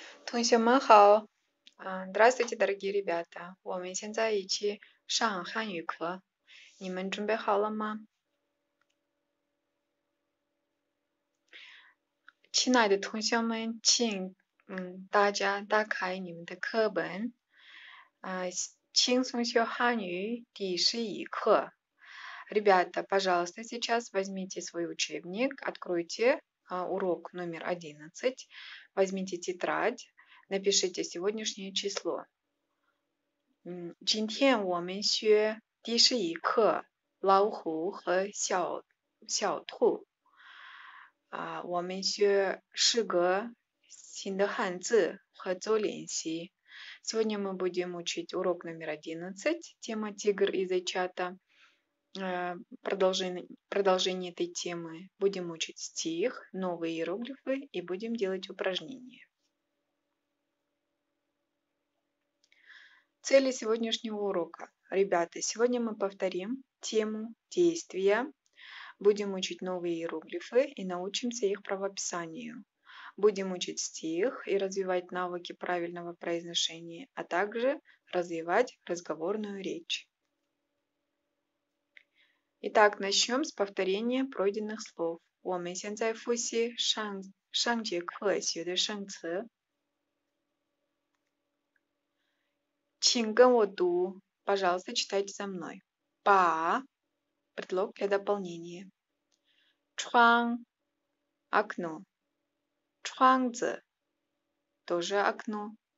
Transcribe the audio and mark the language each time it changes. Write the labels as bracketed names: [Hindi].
[Chinese] 同学们好， [Russian] здравствуйте, дорогие ребята. [Chinese] 我们现在一起上汉语课，你们准备好了吗？亲爱的同学们，请大家打开你们的课本，轻松学汉语第11课。 [Russian] Ребята, пожалуйста, сейчас возьмите свой учебник, откройте урок номер 11, возьмите тетрадь. Напишите сегодняшнее число. [Chinese] 今天我们学第11课老虎和小兔。我们学十个新的汉字和做练习。 [Russian] Сегодня мы будем учить урок номер 11, тема тигр из чата. Продолжение этой темы. Будем учить стих, новые иероглифы и будем делать упражнения. Цели сегодняшнего урока. Ребята, сегодня мы повторим тему действия. Будем учить новые иероглифы и научимся их правописанию. Будем учить стих и развивать навыки правильного произношения, а также развивать разговорную речь. Итак, начнем с повторения пройденных слов. [Chinese] 我们现在复习上节课学的生词。请跟我读， [Russian] пожалуйста, читайте со мной. Ба, предлог для дополнения. Чуан, окно. Чуанзе, тоже окно.